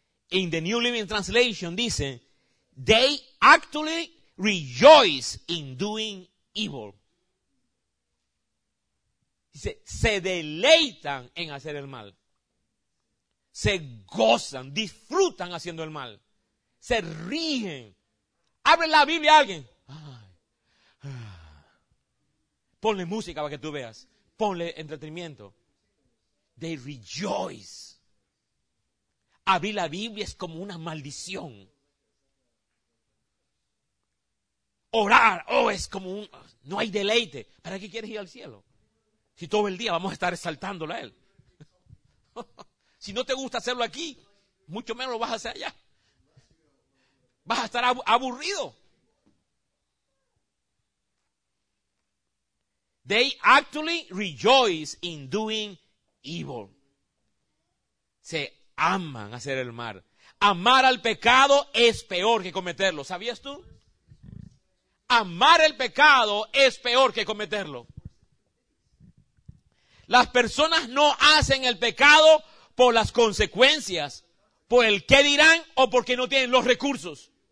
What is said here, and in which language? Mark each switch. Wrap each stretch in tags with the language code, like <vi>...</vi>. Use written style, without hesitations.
<en>In the New Living Translation dice, they actually rejoice in doing evil.</en> <es>Dice, se deleitan en hacer el mal. Se gozan, disfrutan haciendo el mal. Se ríen. Abre la Biblia a alguien. Ay. Ponle música para que tú veas. Ponle entretenimiento.</es> <en>They rejoice.</en> <es>Abrir la Biblia es como una maldición. Orar, oh, es como un... No hay deleite. ¿Para qué quieres ir al cielo? Si todo el día vamos a estar exaltándolo a Él. Si no te gusta hacerlo aquí, mucho menos lo vas a hacer allá. Vas a estar aburrido.</es> <en>They actually rejoice in doing evil.</en> <es>Se aman hacer el mal. Amar al pecado es peor que cometerlo. ¿Sabías tú? Amar el pecado es peor que cometerlo. Las personas no hacen el pecado por las consecuencias, por el qué dirán o porque no tienen los recursos.</es>